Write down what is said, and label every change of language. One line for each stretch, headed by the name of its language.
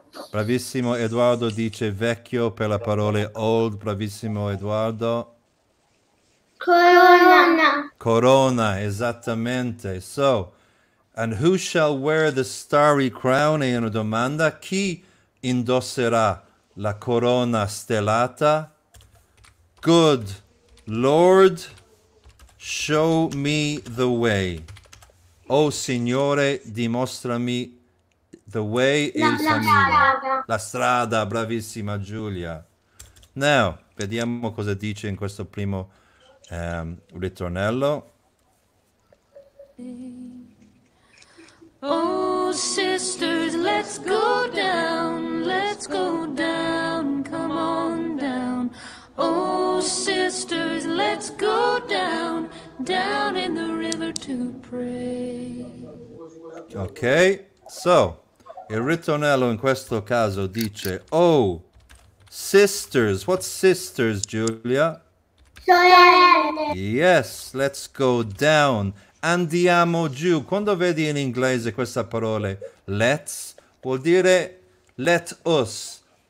Italian: Bravissimo, Edoardo dice vecchio per la parola old, bravissimo Edoardo. Corona, esattamente.
English: So, and who shall wear the starry crown?
Italian: È una domanda, chi indosserà la corona stellata?
English: Good Lord, show me the way.
Italian: Oh Signore, dimostrami
English: the way.
Italian: La strada, bravissima Giulia. Now, vediamo cosa dice in questo primo ritornello.
English: Oh sisters, let's go down, come on down. Oh sisters, let's go down in the river to pray. Okay, so
Italian: Il ritornello in questo caso dice, oh, sisters.
English: What's sisters, Giulia?
Italian: Sorelle.
English: Yes, let's go down.
Italian: Andiamo giù. Quando vedi in inglese questa parola, let's, vuol dire let us.